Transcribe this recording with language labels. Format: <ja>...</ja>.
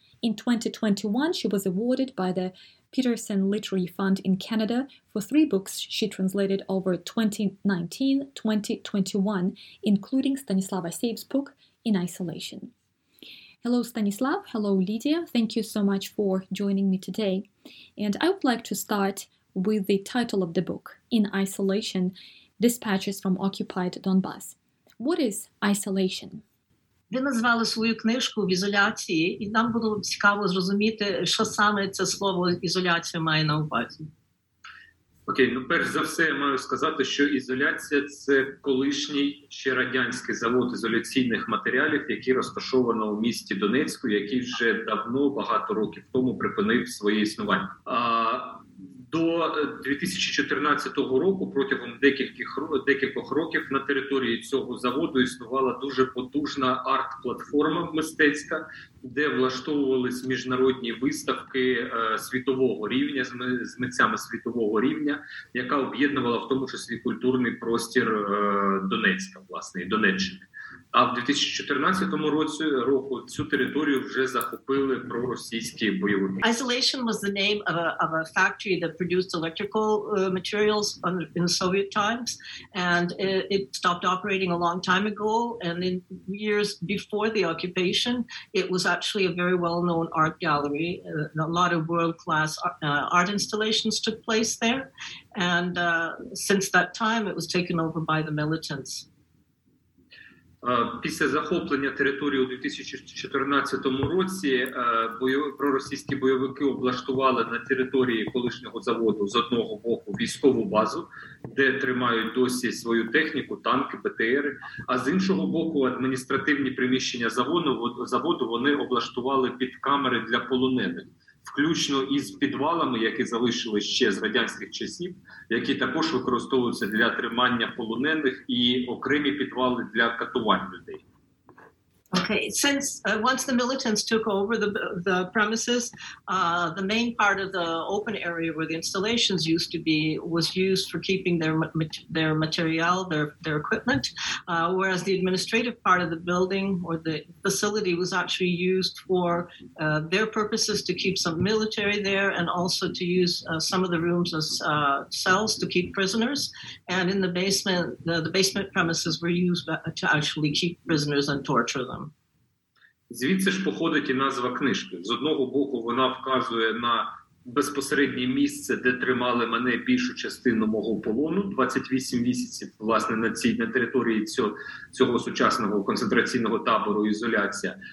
<en>In 2021, she was awarded by the Peterson Literary Fund in Canada for three books she translated over 2019-2021, including Stanislav Asiev's book, In Isolation. Hello, Stanislav. Hello, Lydia. Thank you so much for joining me today. And I would like to start with the title of the book, In Isolation, Dispatches from Occupied Donbass. What is isolation?</en> <uk>Ви назвали свою книжку «В ізоляції», і нам було цікаво зрозуміти, що саме це слово «ізоляція» має на увазі. Окей, ну перш за все я маю сказати, що ізоляція – це колишній ще радянський завод ізоляційних матеріалів, який розташовано у місті Донецьку, який вже давно, багато років тому, припинив своє існування. До 2014 року, протягом декількох років, на території цього заводу існувала дуже потужна арт-платформа мистецька, де влаштовувались міжнародні виставки світового рівня, з митцями світового рівня, яка об'єднувала в тому числі культурний простір Донецька, власне, і Донеччини. А в 2014 році цю територію вже захопили проросійські бойовики.</uk> <en>Isolation was the name of a factory that produced electrical materials in Soviet times, and it stopped operating a long time ago, and in years before the occupation, it was actually a very well-known art gallery. A lot of world-class art installations took place there, and since that time it was taken over by the militants.</en> <uk>Після захоплення території у 2014 році проросійські бойовики облаштували на території колишнього заводу з одного боку військову базу, де тримають досі свою техніку, танки, БТРи, а з іншого боку адміністративні приміщення заводу вони облаштували під камери для полонених, включно із підвалами, які залишили ще з радянських часів, які також використовуються для тримання полонених, і окремі підвали для катувань людей.</uk> <en>Okay, since once the militants took over the premises, the main part of the open area where the installations used to be was used for keeping their material, their equipment, whereas the administrative part of the building or the facility was actually used for their purposes, to keep some military there and also to use some of the rooms as cells to keep prisoners. And in the basement, the basement premises were used to actually keep prisoners and torture them.</en> <uk>Звідси ж походить і назва книжки. З одного боку, вона вказує на безпосереднє місце, де тримали мене більшу частину мого полону, 28 місяців, власне, на цій на території цього сучасного концентраційного табору ізоляція.</uk>